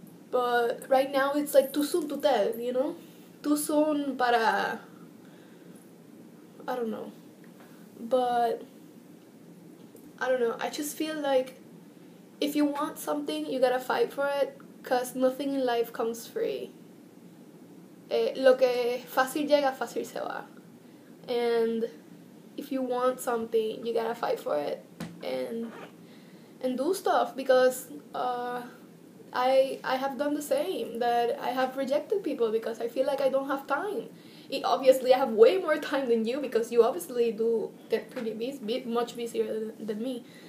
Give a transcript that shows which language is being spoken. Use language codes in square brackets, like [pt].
[en] But right now it's like too soon to tell, you know? Too soon [es] para... [en] I don't know, but I don't know, I just feel like if you want something, you gotta fight for it, because nothing in life comes free. [es] Lo que fácil llega, fácil se va. [en] And if you want something, you gotta fight for it and do stuff, because I have done the same, that I have rejected people because I feel like I don't have time. Obviously, I have way more time than you, because you obviously do get pretty busy, much busier than me.